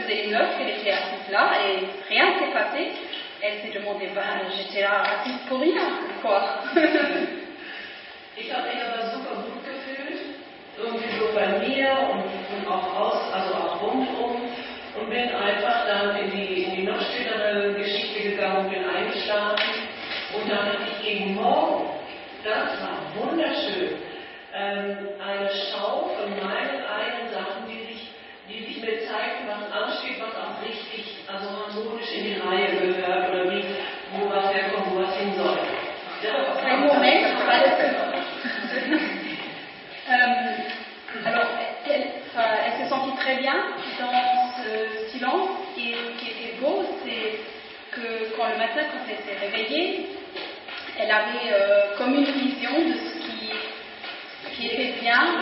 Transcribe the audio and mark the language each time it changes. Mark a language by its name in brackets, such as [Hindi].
[French] l'autre, elle était assise là et rien ne s'est passé. Elle s'est demandé, ben, j'étais là assise pour rien, quoi. [German] Ich habe mich aber super gut gefühlt, irgendwie so bei mir und auch aus, also auch rundherum, und bin einfach dann in die noch stillere Geschichte gegangen und bin eingeschlafen. Und dann habe ich gegen morgen, das war wunderschön, eine Schau von meinen eigenen Sachen, die sich mir zeigten, was ansteht, was auch richtig, also harmonisch in die Reihe gehört oder wie, wo was herkommt, wo was hin soll. Ein Moment, weil [French] alors, elle s'est sentie très bien dans ce silence et ce qui était beau, c'est que quand le matin, quand elle s'est réveillée, elle avait comme une vision de ce qui était bien.